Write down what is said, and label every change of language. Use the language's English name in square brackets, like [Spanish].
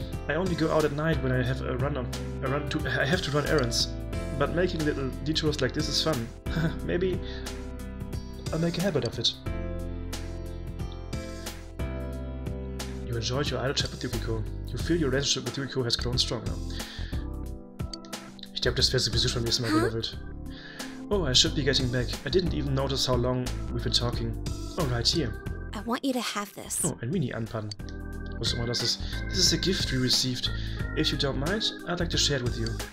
[English] I only go out at night when I have to run errands. But making little detours like this is fun. Maybe I'll make a habit of it. You enjoyed your idle chat with Yuriko. You feel your relationship with Yuriko has grown stronger. [German] Ich glaube, das wäre sowieso schon nächstes Mal gelevelt. [English] Oh, I should be getting back. I didn't even notice how long we've been talking. Oh, right here. I want you to have this. [German] Oh, ein Mini-Anpan. Was immer das ist. [English] This is a gift we received. If you don't mind, I'd like to share it with you.